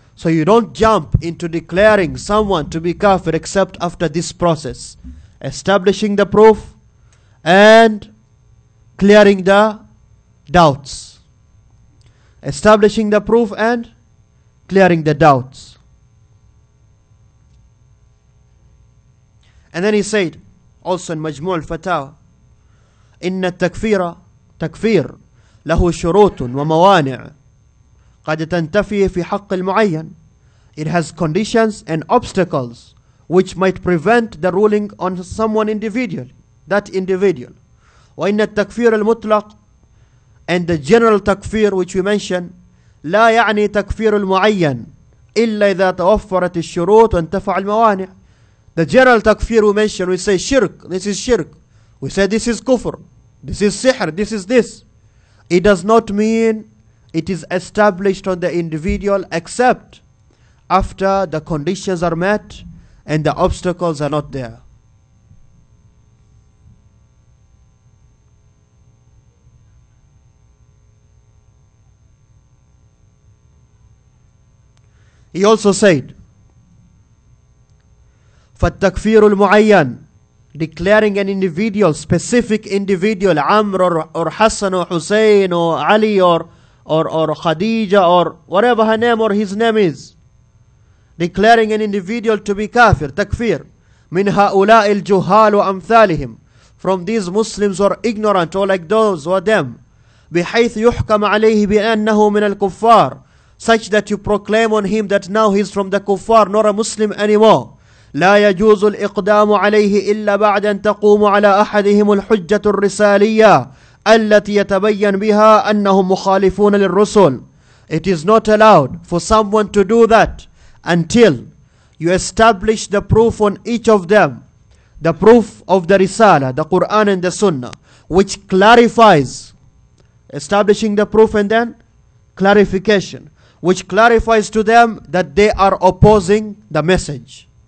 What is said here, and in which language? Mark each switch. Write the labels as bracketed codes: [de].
[en] So you don't jump into declaring someone to be kafir except after this process. Establishing the proof and clearing the doubts. Establishing the proof and clearing the doubts. And then he said, also in Majmu' al-Fatawa, [ar] إِنَّ التَّكْفِيرَ تَكْفِيرُ لَهُ شُرُوتٌ وَمَوَانِعُ قَدْ تَنْتَفِيهِ فِي حَقِّ الْمُعَيَّنِ. [en] It has conditions and obstacles which might prevent the ruling on someone individually, that individual. [ar] وَإِنَّ التَّكْفِيرَ الْمُطْلَقُ, [en] and the general takfir which we mention, [ar] لا يعني تكفير المعين إلا إذا توفرت الشروط وانتفع الموانع. [en] The general takfir we mention, we say shirk, this is shirk. We say this is kufr, this is sihr, this is this. It does not mean it is established on the individual except after the conditions are met and the obstacles are not there. He also said, [ar] فَالتَّكْفِيرُ الْمُعَيَّنِ, [en] declaring an individual, specific individual, Amr or Hassan or Hussein or Ali or Khadija or whatever her name or his name is, declaring an individual to be kafir, takfir, [ar] مِنْ هَؤُلَاءِ الْجُهَالُ وَأَمْثَالِهِمْ, [en] from these Muslims who are ignorant or like those or them, [ar] بِحَيْثُ يُحْكَمْ عَلَيْهِ بِأَنَّهُ مِنَ الْكُفَّارِ, [en] such that you proclaim on him that now he's from the kuffar, nor a Muslim anymore. [ar] لا يجوز الإقدام عليه إلا بعد أن تقوم على أحدهم الحجة الرسالية التي يتبين بها أنهم مخالفون للرسل. [en] It is not allowed for someone to do that until you establish the proof on each of them the proof of the Risala, the Quran and the Sunnah, which clarifies, establishing the proof and then clarification, which clarifies to them that they are opposing the message.